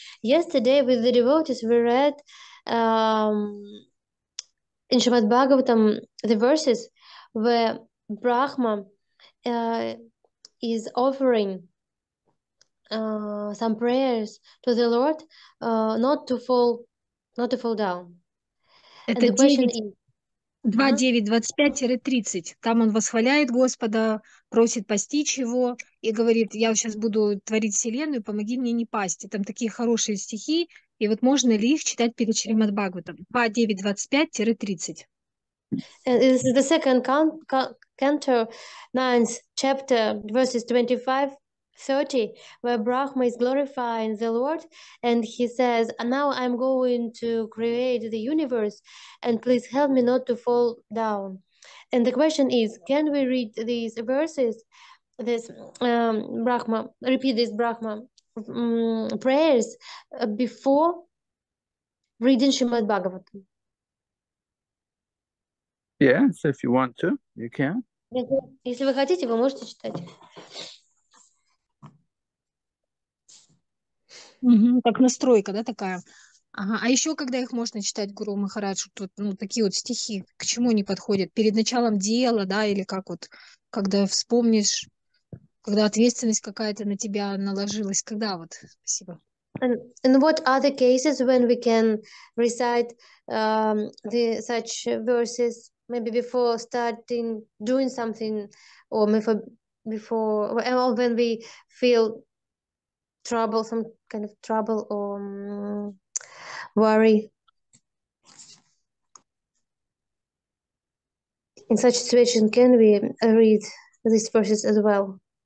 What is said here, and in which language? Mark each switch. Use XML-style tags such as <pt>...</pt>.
<en>Yesterday with the devotees we read in Шримад Бхагаватам the verses where Брахма is offering some prayers to the Lord, not to fall down.</en> <ru>Это 9:25-30. Там он восхваляет Господа, просит постичь его и говорит: я сейчас буду творить вселенную, помоги мне не пасть. И там такие хорошие стихи, и вот можно ли их читать перед Шримад Бхагаватом? 9:25-30.</ru> <en>This is the second canto, ninth chapter, verses 25 30, where Brahma is glorifying the Lord, and he says, now I'm going to create the universe, and please help me not to fall down. And the question is, can we read these verses, this Brahma, repeat this Brahma prayers before reading Srimad Bhagavatam? Yes, if you want to, you can.</en> <ru>Если вы хотите, вы можете читать. Как настройка, да, такая. Ага. А еще когда их можно читать, Гуру Махарадж, тут ну, такие вот стихи, к чему они подходят? Перед началом дела, да, или как вот, когда вспомнишь, когда ответственность какая-то на тебя наложилась, когда вот? Спасибо.</ru> <en>And what are the cases when we can recite the such verses? Maybe before starting doing something, or before or when we feel trouble, some kind of trouble or worry in such situation, can we read these verses as well?</en>